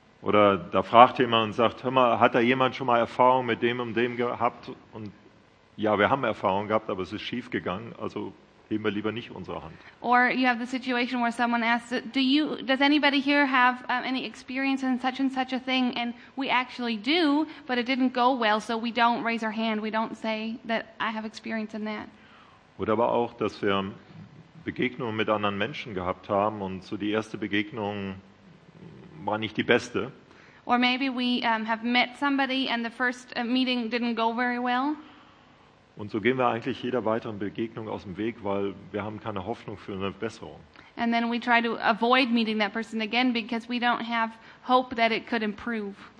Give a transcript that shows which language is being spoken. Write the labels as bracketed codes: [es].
[de] Oder da fragt jemand und sagt, hör mal, hat da jemand schon mal Erfahrung mit dem und dem gehabt? Und ja, wir haben Erfahrung gehabt, aber es ist schief gegangen, also heben wir lieber nicht unsere Hand. [en] Or you have the situation where someone asks, does anybody here have any experience in such and such a thing? And we actually do, but it didn't go well, so we don't raise our hand. We don't say that I have experience in that. [de] Oder aber auch, dass wir Begegnungen mit anderen Menschen gehabt haben und so die erste Begegnung war nicht die beste. [en] Or maybe we have met somebody and the first meeting didn't go very well. [de] Und so gehen wir eigentlich jeder weiteren Begegnung aus dem Weg, weil wir haben keine Hoffnung für eine Verbesserung. [en] And then we try to avoid meeting that person again because we don't have hope that it could improve.